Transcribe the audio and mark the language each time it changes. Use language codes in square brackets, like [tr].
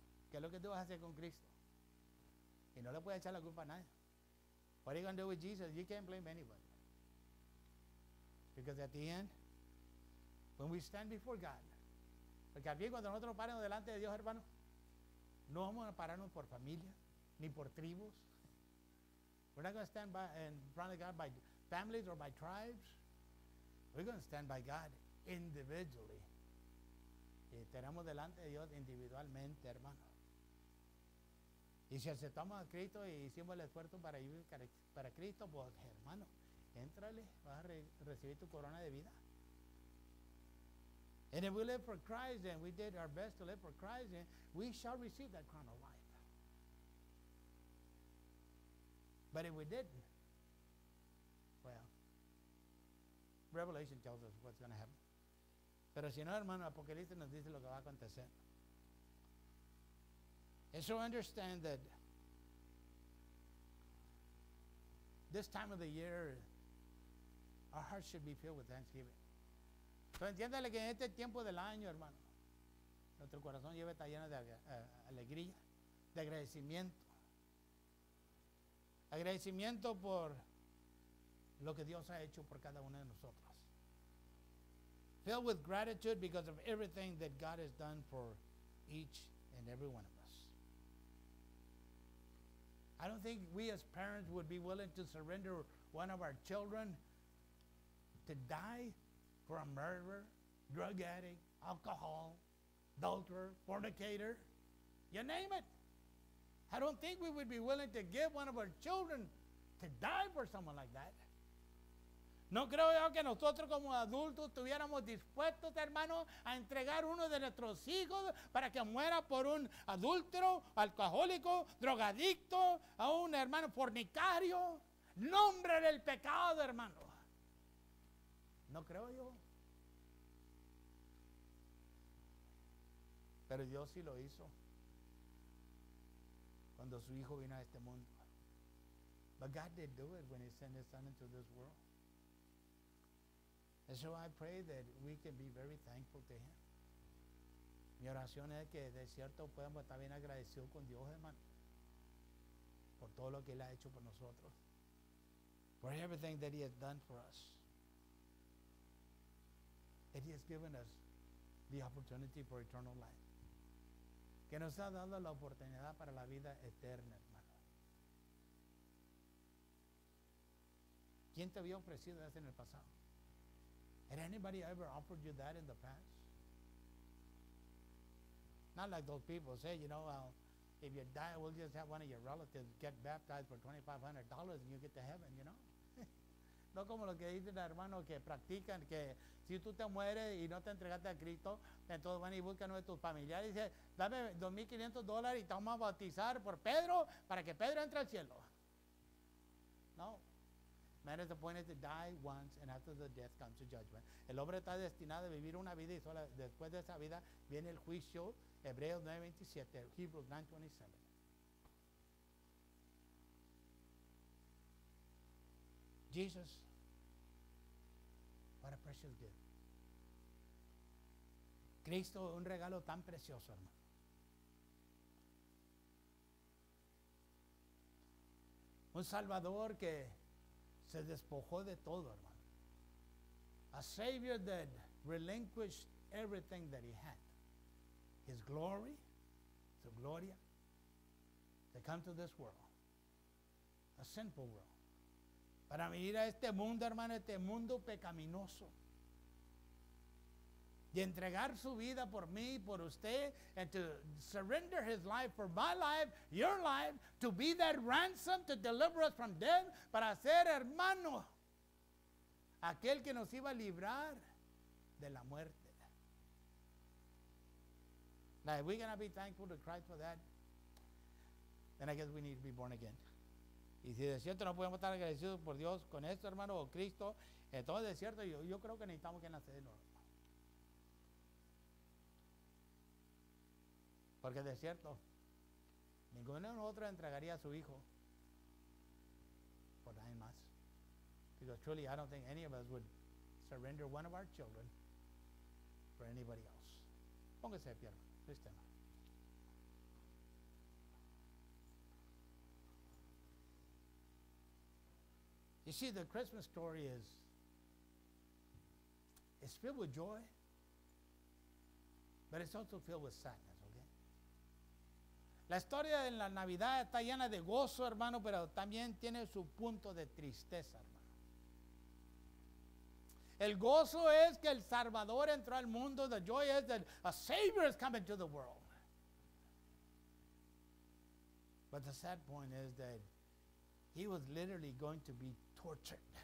[es] ¿Qué es lo que tú vas a hacer con Cristo? Y no le puedes echar la culpa a nadie. [en] What are you going to do with Jesus? You can't blame anybody. Because at the end, when we stand before God, [es] porque al fin cuando nosotros paramos delante de Dios, hermano, no vamos a pararnos por familia, ni por tribus. [en] We're not going to stand by in front of God by families or by tribes. We're going to stand by God individually. [es] Y tenemos delante de Dios individualmente, hermano. Y si aceptamos a Cristo y hicimos el esfuerzo para ir para Cristo, pues, hermano, entrale, vas a recibir tu corona de vida. [en] And if we live for Christ and we did our best to live for Christ, we shall receive that crown of life. But if we didn't, Revelation tells us what's going to happen. [es] Pero si no, hermano, Apocalipsis nos dice lo que va a acontecer. [en] And so understand that this time of the year, our hearts should be filled with thanksgiving. [es] So entiéndale que en este tiempo del año, hermano, nuestro corazón lleva está lleno de alegría, de agradecimiento. Agradecimiento por lo que Dios ha hecho por cada uno de nosotros. [en] Filled with gratitude because of everything that God has done for each and every one of us. I don't think we as parents would be willing to surrender one of our children to die for a murderer, drug addict, alcohol, adulterer, fornicator, you name it. I don't think we would be willing to give one of our children to die for someone like that. [es] No creo yo que nosotros como adultos estuviéramos dispuestos, hermano, a entregar uno de nuestros hijos para que muera por un adúltero, alcohólico, drogadicto, a un hermano fornicario. Nombre del pecado, hermano. No creo yo. Pero Dios sí lo hizo cuando su hijo vino a este mundo. [en] But God did do it when he sent his son into this world. And so I pray that we can be very thankful to him. [es] Mi oración es que de cierto podemos estar bien agradecidos con Dios, hermano, por todo lo que él ha hecho por nosotros. [en] For everything that he has done for us. That he has given us the opportunity for eternal life. [es] Que nos ha dado la oportunidad para la vida eterna, hermano. ¿Quién te había ofrecido eso en el pasado? [en] Had anybody ever offered you that in the past? Not like those people say, you know, well, if you die, we'll just have one of your relatives get baptized for $2,500 and you get to heaven, you know? [es] No como lo que dicen los hermanos que practican, que si tú te mueres y no te entregaste a Cristo, entonces van y buscan a tus familiares y dicen, dame $2,500 y te vamos a bautizar por Pedro para que Pedro entre al cielo. No. [en] Man is appointed to die once and after the death comes the judgment. [es] El hombre está destinado a vivir una vida y solo después de esa vida viene el juicio. Hebreos 9.27, Hebreos 9.27. [en] Jesus, what a precious gift. [es] Cristo, un regalo tan precioso, hermano. Un Salvador que se despojó de todo, hermano. [en] A Savior that relinquished everything that he had. His glory, [es] su gloria, [en] to come to this world. A sinful world. [es] Para venir a este mundo, hermano, este mundo pecaminoso. Y entregar su vida por mí, por usted. [en] And to surrender his life for my life, your life. To be that ransom, to deliver us from death. [es] Para ser hermano. Aquel que nos iba a librar de la muerte. [en] Now, if we're going to be thankful to Christ for that, then I guess we need to be born again. [es] Y si de cierto no podemos estar agradecidos por Dios con esto, hermano, o Cristo, entonces de cierto yo creo que necesitamos que nacer de nuevo. Porque de cierto, ninguno de nosotros entregaría a su hijo por nadie más. [en] Because truly, I don't think any of us would surrender one of our children for anybody else. [es] Póngase de pie, hermano. Cristiano. [en] You see, the Christmas story is it's filled with joy, but it's also filled with sadness, okay? [es] La historia de la Navidad está llena de gozo, hermano, pero también tiene su punto de tristeza, hermano. El gozo es que el Salvador entró al mundo. [en] The joy is that a Savior is coming to the world. But the sad point is that he was literally going to be tortured.